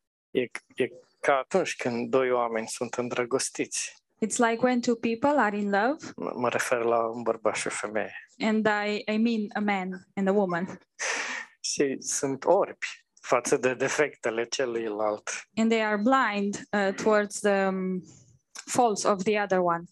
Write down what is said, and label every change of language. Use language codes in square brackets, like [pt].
[ro] E ca atunci când doi oameni sunt îndrăgostiți. [en] It's like when two people are in love. [ro] Mă refer la un bărbat și o femeie. [en] And I mean a man and a woman. [ro] Și sunt orbi față de defectele celuilalt. [en] And they are blind towards the faults of the other one.